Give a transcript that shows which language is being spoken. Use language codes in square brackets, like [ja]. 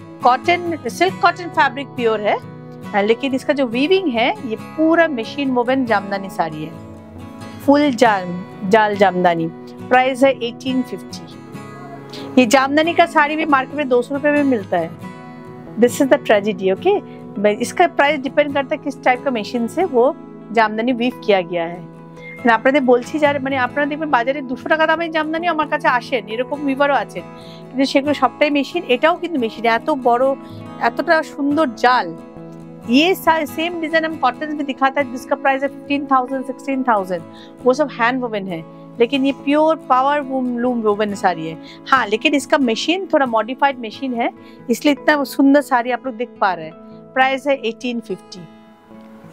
[hi] Cotton silk cotton fabric pure है, लेकिन इसका जो वीविंग है ये पूरा मशीन वोवन जामदानी साड़ी है, फुल जाल जामदानी, प्राइस है 1850। ये जामदानी का साड़ी भी मार्केट में 200 रुपए में मिलता है, [en] This is the tragedy. [hi] Okay, इसका प्राइस डिपेंड करता है किस टाइप का मशीन से वो जामदानी वीव किया गया है। [bn] আপনাদের বলছি যারা মানে আপনারা দেখবেন বাজারে 200 টাকা দামের জামদানি আমার কাছে আসেন, এরকম বিবারও আছেন, কিন্তু সেগুলো সবটাই মেশিন, এটাও কিন্তু মেশিন, এত বড় এতটা সুন্দর জাল। [hi] ये सेम डिजाइन हम कॉटन में दिखाता है जिसका प्राइस है 15,000-16,000, वो सब हैंड वोवन है, लेकिन ये pure power loom woven sari है। हाँ, लेकिन इसका मशीन थोड़ा मॉडिफाइड मशीन है इसलिए इतना सुंदर साड़ी आप लोग देख पा रहे हैं, प्राइस है 1850।